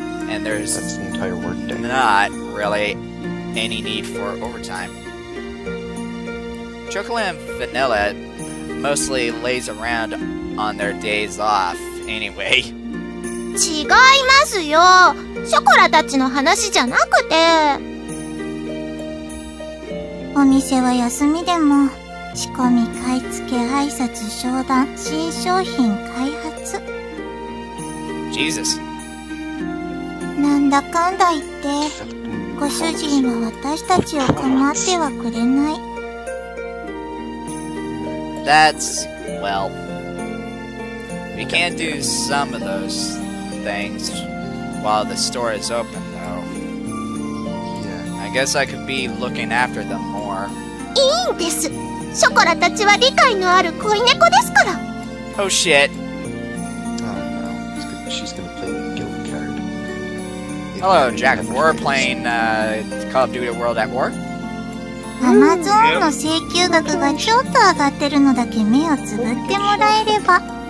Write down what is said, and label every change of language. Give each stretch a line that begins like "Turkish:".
English: And there's That's the entire work day. Not really any need for overtime. Chocolate and Vanilla mostly lays around on their days off, anyway.
Japanese: 違いますよ。ショコラたちの話じゃなくて。お店は休みでも、仕込み、買い付け、挨拶、商談、新商品、開発。
English: Jesus.
Japanese: なんだかんだ言って、ご主人は私たちを構ってはくれない。
English: That's, well, we can't do some of those things while the store is open, though. Yeah. I guess I could be looking after them more.
Japanese: いいんです。ショコラたちは理解のある子猫ですから。
English: Oh, shit. Oh, no. She's gonna play the guild card. Hello, Jack. We're playing, Call of Duty World at War.
Japanese: Amazon の請求額がちょっと上がってるのだけ目をつぶってもらえれば。